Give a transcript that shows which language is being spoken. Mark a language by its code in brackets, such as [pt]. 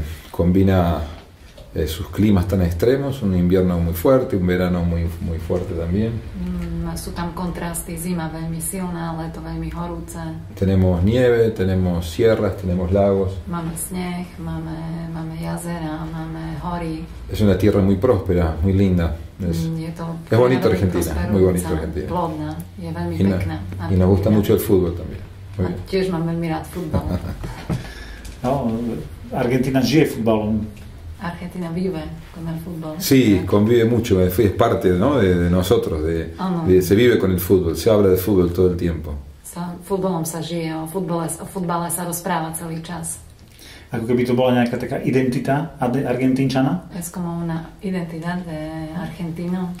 [es] Combina sus climas tan extremos, un invierno muy fuerte, un verano muy, muy fuerte también. [sk] Sú tam kontrasty, zima veľmi silná, leto veľmi horúce. [es] Tenemos nieve, tenemos sierras, tenemos lagos. [sk] Máme sneh, máme jazera, máme hory. [es] Es una tierra muy próspera, muy linda. Es bonito Argentina, muy bonito Argentina. [sk] Plodná, je veľmi pekná. [es] Y nos gusta mucho el fútbol también. [sk] Tiež mám veľmi rád futbol. No, Argentina žije futbolom. [es] Argentina vive con el fútbol. Sí, convive mucho, es parte, ¿no?, de nosotros, de se vive con el fútbol, se habla de fútbol todo el tiempo. [sk] Fútbolom sa žije, o futbale sa rozpráva celý čas. Ako keby to bola nejaká taká identita argentinčana? [es] Es como una identidad de argentino.